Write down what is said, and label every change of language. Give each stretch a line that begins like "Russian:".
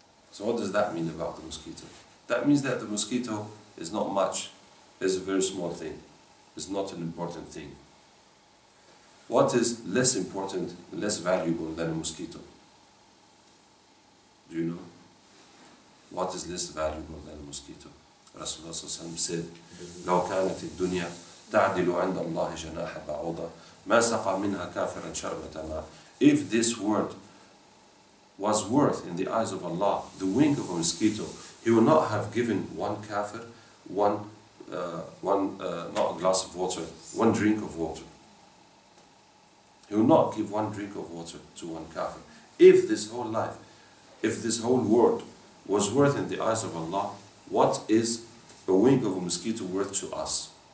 English: So what does that mean about the mosquito? That means that the mosquito is not much, is a very small thing, is not an important thing. What is less important, less valuable than a mosquito? Do you know? What is less valuable than a mosquito? Rasulullah said,
Arabic: لَوْ كَانَتِ الدُّنْيَا تَعْدِلُ عَنْدَ اللَّهِ جَنَاحَ بَعُوضَ مَا سَقَى مِنْهَا كَافِرًا شَرْبَةَ مَا.
English: If this word was worth in the eyes of Allah, the wing of a mosquito, He would not have given one kafir, not a glass of water, one drink of water. He will not give one drink of water to one kafir. If this whole life, if this whole world was worth in the eyes of Allah, what is a wing of a mosquito worth to us?